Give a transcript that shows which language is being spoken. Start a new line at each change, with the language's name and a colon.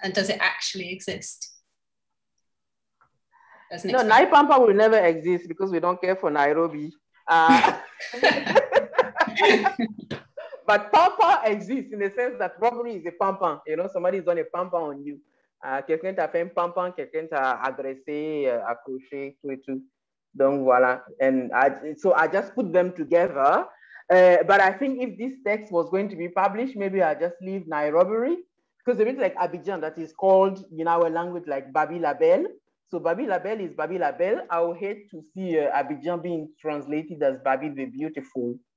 English: And does it actually exist? No, Nai Pan Pan will never exist because we don't care for Nairobi. but pampa exists in the sense that robbery is a pampa. You know, somebody's done a pampa on you.
French: Quelqu'un t'a fait un pampa, quelqu'un t'a agressé, accroché, tout et tout. Donc voilà.
English: And I just put them together. But I think if this text was going to be published, maybe I just leave Nairobi, because there is like Abidjan that is called in our language like Babi Labelle. So Babi Labelle is Babi Labelle. I would hate to see Abidjan being translated as Babi the Beautiful.